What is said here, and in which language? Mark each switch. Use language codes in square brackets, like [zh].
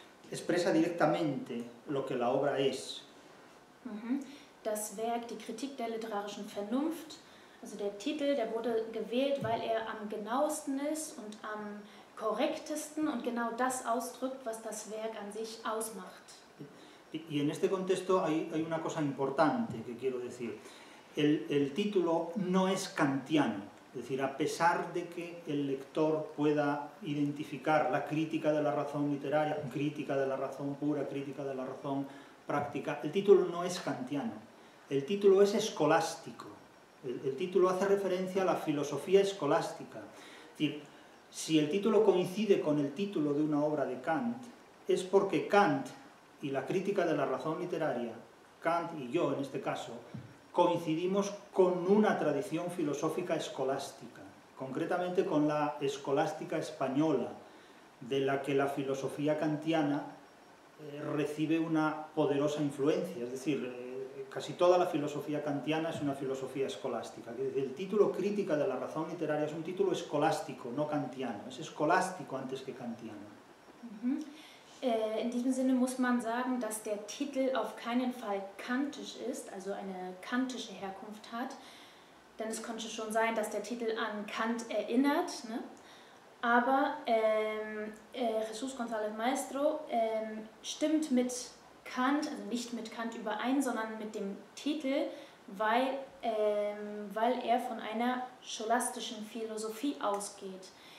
[es] Expresa directamente lo que la obra es. [de] Das Werk, die Kritik der literarischen Vernunft, also der Titel, der wurde gewählt, weil er am genauesten ist und am korrektesten und genau das ausdrückt, was das Werk an sich ausmacht. [es] Y en este contexto hay una cosa importante que quiero decir. El título no es kantiano. Es decir, a pesar de que el lector pueda identificar la crítica de la razón literaria, crítica de la razón pura, crítica de la razón práctica, el título no es kantiano, el título es escolástico, el título hace referencia a la filosofía escolástica. Es decir, si el título coincide con el título de una obra de Kant, es porque Kant y la crítica de la razón literaria, Kant y yo en este caso, coincidimos con una tradición filosófica escolástica, concretamente con la escolástica española, de la que la filosofía kantiana recibe una poderosa influencia. Es decir, casi toda la filosofía kantiana es una filosofía escolástica. El título Crítica de la razón literaria es un título escolástico, no kantiano. Es escolástico antes que kantiano. [de] In diesem Sinne muss man sagen, dass der Titel auf keinen Fall kantisch ist, also eine kantische Herkunft hat. Denn es konnte schon sein, dass der Titel an Kant erinnert, ne? Aber Jesús González Maestro stimmt mit Kant, also nicht mit Kant überein, sondern mit dem Titel, weil er von einer scholastischen Philosophie ausgeht.